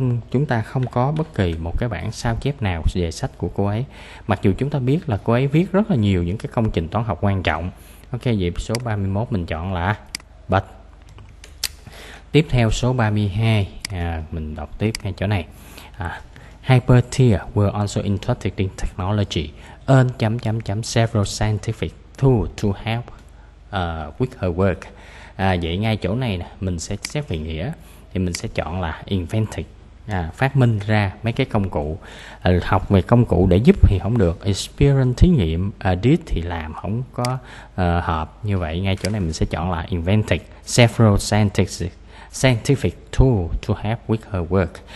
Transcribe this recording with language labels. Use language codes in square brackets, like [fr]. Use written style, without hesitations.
[vi] Chúng ta không có bất kỳ một cái bản sao chép nào về sách của cô ấy. Mặc dù chúng ta biết là cô ấy viết rất là nhiều những cái công trình toán học quan trọng. Ok, vậy số 31 mình chọn là but. Tiếp theo số 32, mình đọc tiếp ngay chỗ này. [en] Hypatia were also interested in technology and several scientific tools to help with her work. [vi] Vậy ngay chỗ này nè, mình sẽ xét về nghĩa thì mình sẽ chọn là invented, phát minh ra mấy cái công cụ. Học về công cụ để giúp thì không được, experience thí nghiệm, did thì làm không có hợp. Như vậy ngay chỗ này mình sẽ chọn là [en] invented several scientific tool to help with her work.